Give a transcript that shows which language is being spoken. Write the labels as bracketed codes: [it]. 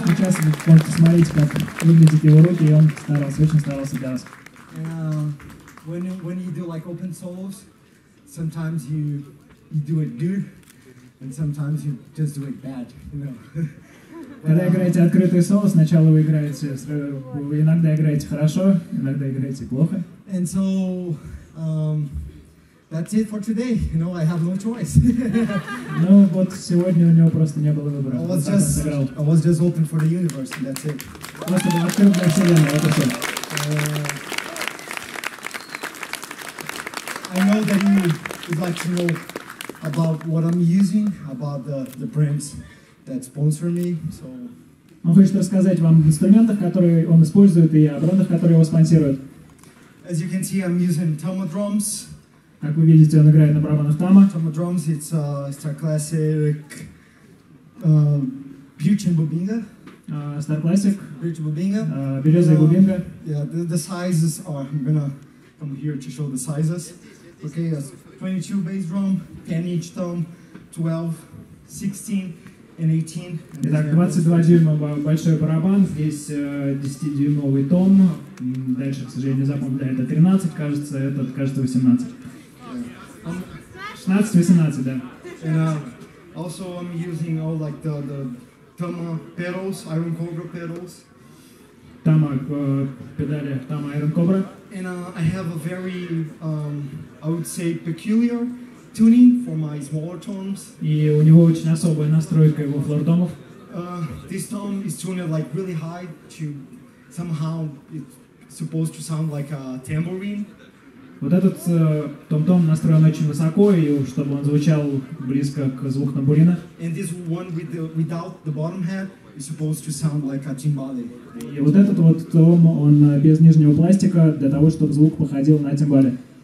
[ru] Смотрите, как выглядят его руки, и он старался, очень старался для нас. [en] When you do like open solos, sometimes you do it good, and sometimes you just do it bad, you know. [ru] Когда играете открытый соло, сначала вы играете, вы иногда играете хорошо, иногда играете плохо. [en] And so that's it for today. You know, I have no choice. [ru] Ну вот сегодня у него просто не было выбора. [en] I was just open for the universe, and that's it. [ru] Просто был открыт для вселенной, это все. [en] I know that you would like to know about what I'm using, about the brands that sponsor me. So. [ru] Он хочет рассказать вам об инструментах, которые он использует, и о брендах, которые его спонсируют. [en] As you can see, I'm using Tama drums. [ru] Как вы видите, он играет на барабанах Тама. [en] Tama drums, it's a classic Buchen Bubinga. Star Classic. Buchen Bubinga. [ru] Березовая Бубинга. [en] Yeah, the sizes are, I'm gonna come here to show the sizes. Okay, that's 22 bass drum, 10 inch tom, 12, 16 and 18. [ru] Итак, 22 дюйма большой барабан, здесь 10-дюймовый том. Дальше, к сожалению, запомнил, это 13, кажется, этот, кажется, 18. 16-18, да. [en] And also I'm using all like the Tama pedals, Iron Cobra pedals. [ru] Tama педали, Tama Iron Cobra. [en] And I have a very, I would say, peculiar tuning for my smaller tones. [ru] И у него очень особая настройка его флордомов. [en] this tone is tuned like really high to somehow it's supposed to sound like a tambourine. [ru] Вот этот том-том настроен очень высоко, и чтобы он звучал близко к звуку тамбурина. [en] And this one with the, without the bottom head is supposed to sound like a timbale. [ru] И вот этот вот том, он без нижнего пластика, для того, чтобы звук походил на тимбале.